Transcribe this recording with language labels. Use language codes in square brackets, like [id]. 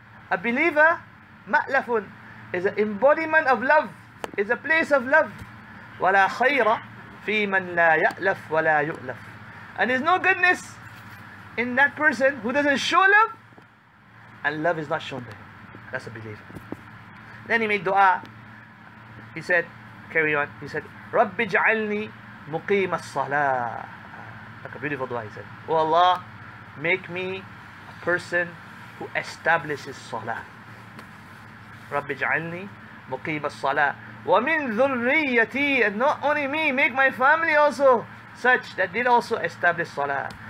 [en] A believer, ma'lafun, is an embodiment of love, is a place of love. [ar] وَلَا خَيْرَ فِي مَنْ لَا يَأْلَفْ وَلَا يُؤْلَفْ. [en] And there's no goodness in that person who doesn't show love, and love is not shown to him. That's a believer. Then he made dua. He said, carry on. He said, [ar] رَبِّ جَعَلْنِي مُقِيمَ الصَّلَاةِ. [en] Like a beautiful dua, he said. Oh Allah, make me a person who establishes salah. [ar] رَبِّ جَعَلْنِي مُقِيمَ الصَّلَاةِ وَمِنْ ذُرِّيَّتِي. [en] And not only me, make my family also such that did also establish salah.